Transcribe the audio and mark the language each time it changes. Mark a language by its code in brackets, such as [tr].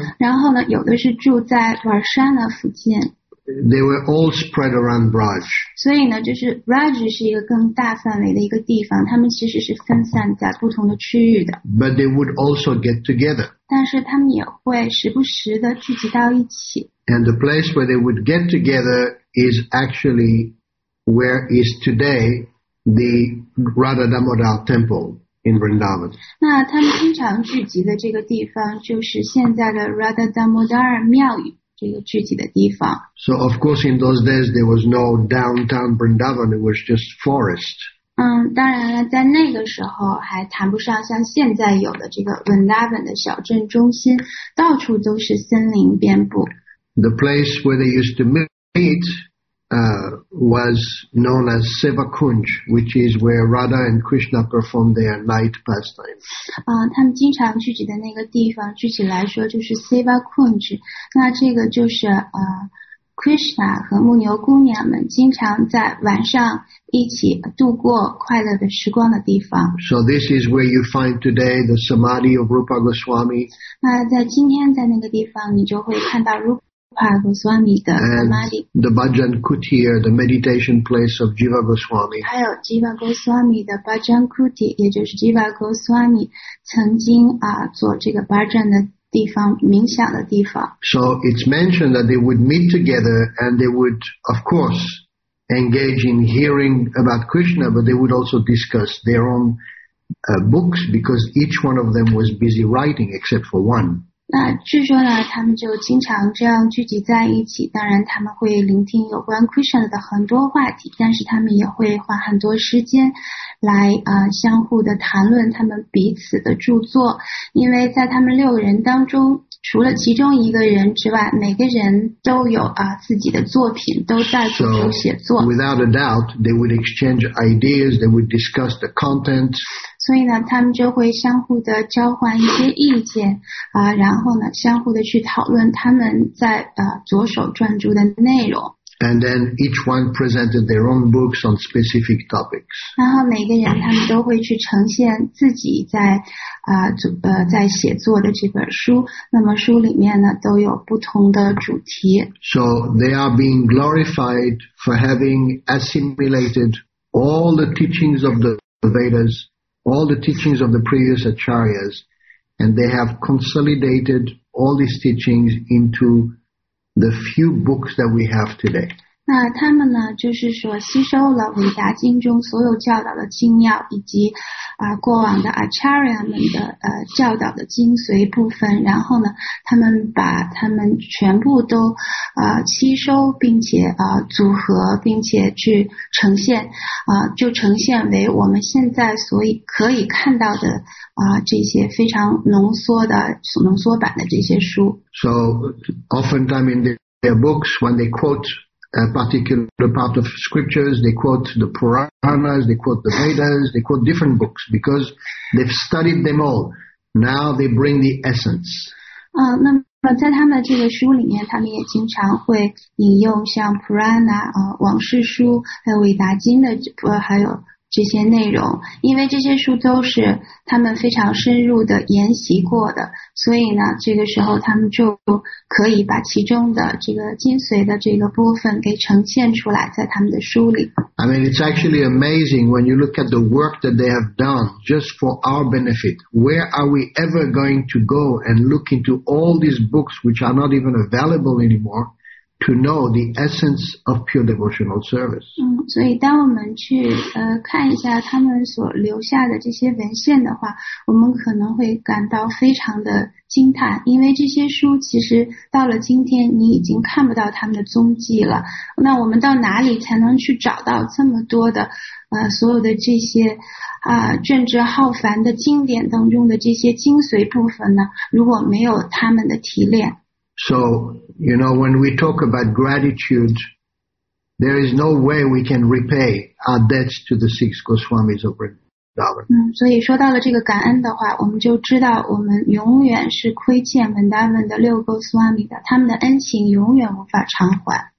[zh] 然后呢，有的是住在 Varshana 附近。 [en] They were all spread around Braj. [zh] 所以呢，就是 Braj 是一个更大范围的一个地方，他们其实是分散在不同的区域的。 [en] But they would also get together. [zh] 但是他们也会时不时的聚集到一起。 [en] And the place where they would get together is actually where is today the Radha Damodar Temple. In Vrindavan. [zh] 那他们经常聚集的这个地方就是现在的 Radha Damodar 庙宇这个聚集的地方。 [en] So of course in those days there was no downtown Vrindavan, it was just forest. [zh] 当然了，在那个时候还谈不上像现在有的这个 Vrindavan 的小镇中心，到处都是森林遍布。 [en] The place where they used to meet,was known as Sevakunj, which is where Radha and Krishna perform their night pastime. [zh] 他们经常聚集的那个地方，具体来说就是 Sevakunj. 那这个就是Krishna 和牧牛姑娘们经常在晚上一起度过快乐的时光的地方。 [en] So this is where you find today the Samadhi of Rupa Goswami. [zh] 那在今天在那个地方，你就会看到 Rupa Goswami 的 Samadhi, [en] the Bhajan Kutir, the meditation place of Jiva Goswami. [zh] 还有 Jiva Goswami 的 Bhajan Kutir, 也就是 Jiva Goswami 曾经做这个 Bhajan 的地方，冥想的地方。 [en] So it's mentioned that they would meet together and they would, of course, engage in hearing about Krishna, but they would also discuss their own books because each one of them was busy writing except for one. [zh] 那据说呢，他们就经常这样聚集在一起。当然，他们会聆听有关 Krishna 的很多话题，但是他们也会花很多时间来相互的谈论他们彼此的著作。因为在他们六个人当中，除了其中一个人之外，每个人都有自己的作品，都在做出写作。 [en] So, without a doubt, they would exchange ideas. They would discuss the content. [zh] 所以呢，他们就会相互的交换一些意见然后呢，相互的去讨论他们在着手专注的内容。 [en] And then each one presented their own books on specific topics. [zh] 然后每个人他们都会去呈现自己在写作的这本书。那么书里面呢都有不同的主题。 [en] So they are being glorified for having assimilated all the teachings of the Vedas, all the teachings of the previous Acharyas, and they have consolidated all these teachings into. The few books that we have today. [zh] 那他们呢，就是说吸收了韦达经中所有教导的精要，以及过往的 Acharya 们的教导的精髓部分，然后呢，他们把他们全部都吸收，并且组合，并且去呈现就呈现为我们现在所以可以看到的这些非常浓缩版的这些书。 [en] So, oftentimes in their books, when they quote a particular part of scriptures, they quote the Puranas, they quote the Vedas, they quote different books because they've studied them all. Now they bring the essence. [zh] 那么在他们这个书里面，他们也经常会引用像 Purana, 往事书，还有韦达经的，还有这些内容，因为这些书都是他们非常深入的研习过的，所以呢，这个时候他们就可以把其中的这个精髓的这个部分给呈现出来，在他们的书里。 [en] I mean, it's actually amazing when you look at the work that they have done just for our benefit. Where are we ever going to go and look into all these books which are not even available anymore? To know the essence of pure devotional service. [zh] 所以当我们去看一下他们所留下的这些文献的话，我们可能会感到非常的惊叹，因为这些书其实到了今天你已经看不到他们的踪迹了。那我们到哪里才能去找到这么多的所有的这些卷帙浩繁的经典当中的这些精髓部分呢？如果没有他们的提炼。 [en] So, you know, when we talk about gratitude, there is no way we can repay our debts to the six Goswamis of Vrindavan. [zh] 所以说到了这个感恩的话，我们就知道我们永远是亏欠 Vrindavan 的六 Goswami 的，他们的恩情永远无法偿还。